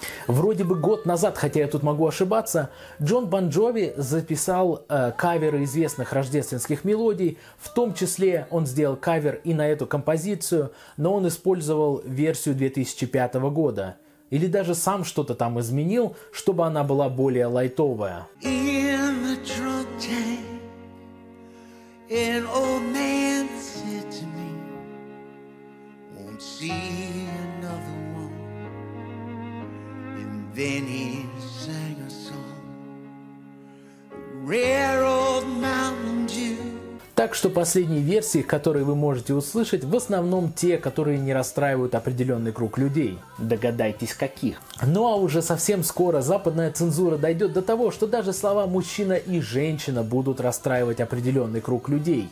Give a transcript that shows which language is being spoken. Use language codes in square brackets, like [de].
[ru] Вроде бы год назад, хотя я тут могу ошибаться, Джон Бон Джови записал каверы известных рождественских мелодий, в том числе он сделал кавер и на эту композицию, но он использовал версию 2005 года. Или даже сам что-то там изменил, чтобы она была более лайтовая. [en] In the drunk tank, an old man said to me, won't see another one. Then he sang a song, rare old mountain dew. [ru] Так что последние версии, которые вы можете услышать, в основном те, которые не расстраивают определенный круг людей. Догадайтесь, каких. Ну а уже совсем скоро западная цензура дойдет до того, что даже слова «мужчина» и «женщина» будут расстраивать определенный круг людей.